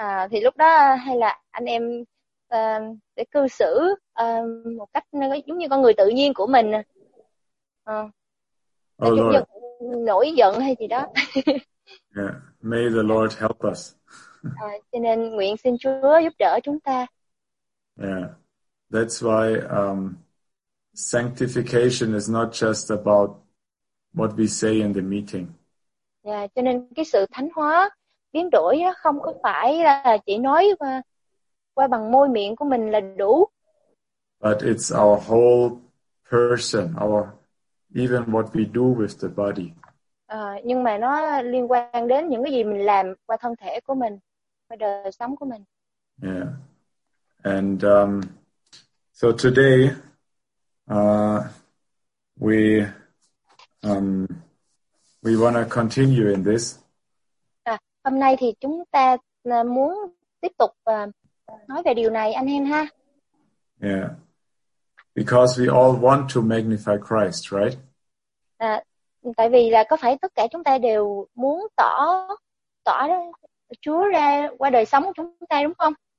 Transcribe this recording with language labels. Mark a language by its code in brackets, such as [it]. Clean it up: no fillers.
[vi] Thì lúc đó hay là anh em sẽ cư xử một cách giống như con người tự nhiên của mình. [en] Oh Lord. [vi] Nổi giận hay gì đó. [en] Yeah. May the Lord help us. [vi] Cho nên nguyện xin Chúa giúp đỡ chúng ta. [en] Yeah. That's why sanctification is not just about what we say in the meeting. [vi] Yeah, cho nên cái sự thánh hóa biến đổi đó không có phải là chỉ nói qua bằng môi miệng của mình là đủ. [en] But it's our whole person, our even what we do with the body. [vi] Nhưng mà nó liên quan đến những cái gì mình làm qua thân thể của mình, qua đời sống của mình. [en] Yeah. And so today we want to continue in this. [vi] Hôm nay thì chúng ta muốn tiếp tục nói về điều này anh em ha. [en] Yeah. Because we all want to magnify Christ, right? [vi] Tại vì là có phải tất cả chúng ta đều muốn tỏ Chúa ra qua đời sống của chúng ta đúng không?